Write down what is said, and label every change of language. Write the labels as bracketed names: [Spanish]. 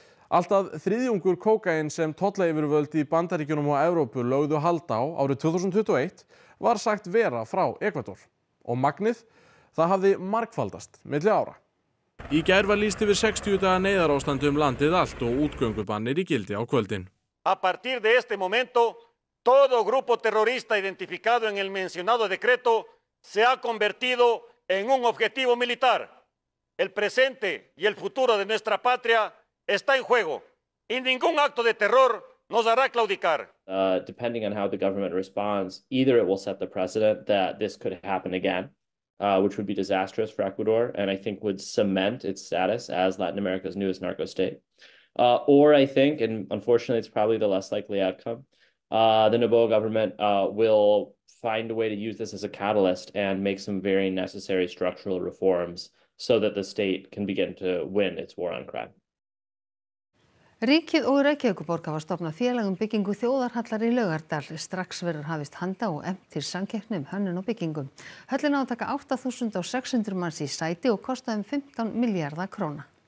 [Icelandic] Alltaf þriðjungur kókaín sem tollayfirvöld í Bandaríkjunum og Evrópu lögðu hald á árið 2021 var sagt vera frá Ekvador. Og magnið, það hafði margfaldast milli ára. Í gær var lýst yfir 60 daga neyðarástandi landið allt og útgöngubannir í gildi á kvöldin. [Spanish] A partir de este momento, todo grupo terrorista identificado en el mencionado decreto se ha convertido en un objetivo militar. El presente y el futuro de nuestra patria está en juego y ningún acto de terror nos hará claudicar. [English] Depending on how the government responds, either it will set the precedent that this could happen again. Which would be disastrous for Ecuador and I think would cement its status as Latin America's newest narco state. Or I think, and unfortunately it's probably the less likely outcome, the Noboa government will find a way to use this as a catalyst and make some very necessary structural reforms so that the state can begin to win its war on crime. [Icelandic] Ríkið og Reykjavíkurborg hafa stofnað félag byggingu þjóðarhallar í Laugardal. Strax verður hafist handa og efnt til samkeppni hönnun og byggingu. Höllin á að taka 8600 manns í sæti og kosta 15 milljarða króna.